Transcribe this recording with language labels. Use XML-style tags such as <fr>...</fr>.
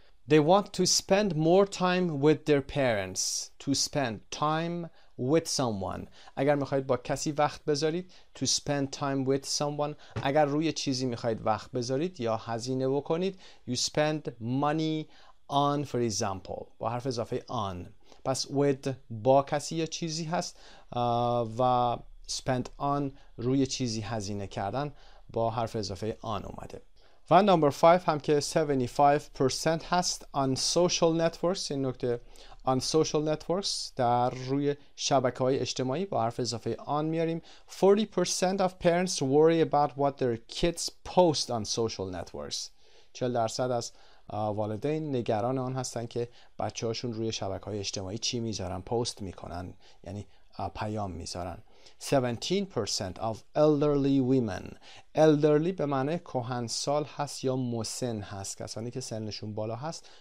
<en>they want to spend more time with their parents. to spend time with someone،</en> <fa>اگر میخواید با کسی وقت بذارید، to spend time with someone، اگر روی چیزی میخواید وقت بذارید یا هزینه بکنید،</fa> <en>you spend money on for example،</en> <fa>با حرف اضافه on، پس with با کسی یا چیزی هست، و spend on روی چیزی هزینه کردن، با حرف اضافه on اومده. و number 5 هم که 75% هست،</fa> <en>on social networks،</en> <fa>این نکته، on social networks در روی شبکه‌های اجتماعی، با حرف اضافه on میاریم.</fa> <en>40% of parents worry about what their kids post on social networks.</en> <fa>40% از والدین نگران آن هستن که بچه‌هاشون روی شبکه‌های اجتماعی چی میذارن، پست میکنن، یعنی پیام میذارن.</fa> <en>17% of elderly women.</en> <fa>elderly به معنی کهنسال هست یا مسن هست، کسانی که سنشون بالا هست.</fa>